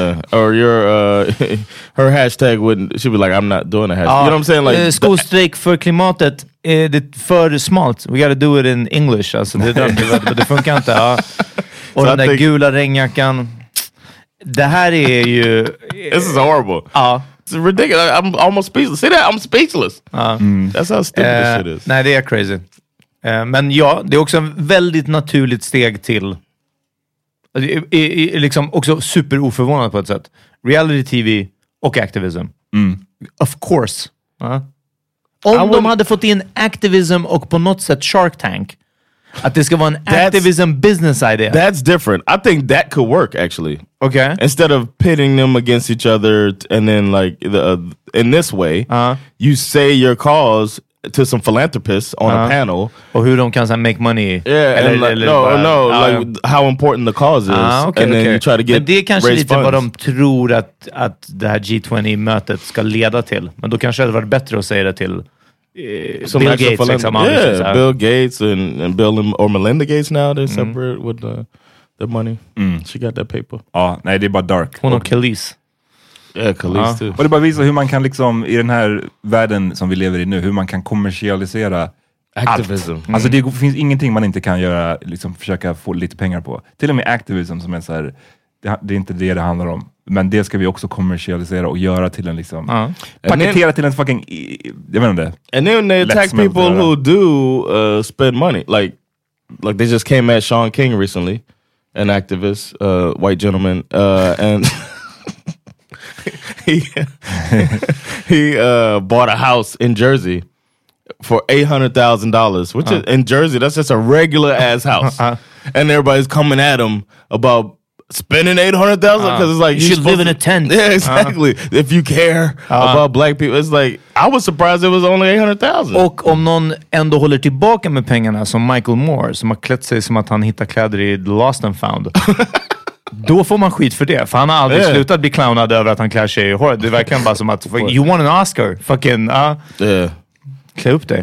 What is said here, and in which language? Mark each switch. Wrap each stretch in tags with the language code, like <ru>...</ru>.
<en>Or your her hashtag wouldn't. She'd be like, I'm not doing a hashtag. You know what I'm saying? Like school strike for</en> <sv>klimatet. Det är för smalt.</sv> <en>We gotta do it in English.</en> <sv>Alltså, det funkar inte. Ja. Och den där gula regnjackan. Det här är ju...</sv> <en>This is horrible.</en> <sv>Ja.</sv> <en>It's ridiculous. I'm almost speechless. See that? I'm speechless.</en> <sv>Ja.</sv> <en>That's how stupid this shit is.</en> <sv>Nej, det är crazy. Men ja, det är också en väldigt naturligt steg till, liksom också super oförvånad på ett sätt, reality TV och activism. Mm.</sv> <en>Of course.</en> <sv>Om de hade fått in activism och på något sätt Shark Tank, att det ska vara en activism business idea.</sv> <en>That's different. I think that could work actually. Okay. Instead of pitting them against each other and then like the in this way, you say your cause to some philanthropists on a panel.</en> <sv>Och hur de kan sen</sv> <en>make money. Yeah, and like how important the cause is. Okay. You try to get.</en> <sv>Men det är kanske lite</sv> <en>funds.</en> <sv>Vad de tror att det här G20-mötet ska leda till. Men då kanske det hade varit bättre att säga det till</sv> <en>Some Bill Gates. Bill Gates and Bill or Melinda Gates now, they're separate with the money. Mm. She got that paper.</en> <sv>Ah, nej, det är bara dark. Hon och Khalees.</sv> <en>Yeah, Khalees too.</en> <sv>Och det bara visar hur man kan liksom, i den här världen som vi lever i nu, hur man kan kommersialisera</sv> <en>activism.</en> <sv>Allt. Alltså det finns ingenting man inte kan göra, liksom försöka få lite pengar på. Till och med activism som är så här, det är inte det det handlar om. Men det ska vi också kommersialisera och göra till en liksom paketera till en fucking, jag menar det.</sv> <en>And then they attack people who do spend money. Like they just came at Sean King recently, an activist, white gentleman, and he bought a house in Jersey for $800,000, which is in Jersey, that's just a regular ass house. And everybody's coming at him about spending $800,000 because it's like you should live in a tent. Yeah, exactly. If you care about black people, it's like I was surprised it was only $800,000.</en> <sv>Och om någon ändå håller tillbaka med pengarna, som Michael Moore, som har klätt sig som att han hittar kläder i The Lost and Found, då får man skit för det. För han har aldrig slutat bli clownad över att han klär sig i hår. Det verkar bara som att</sv> <en>you want an Oscar,</en> <sv>fucking klä upp dig.</sv>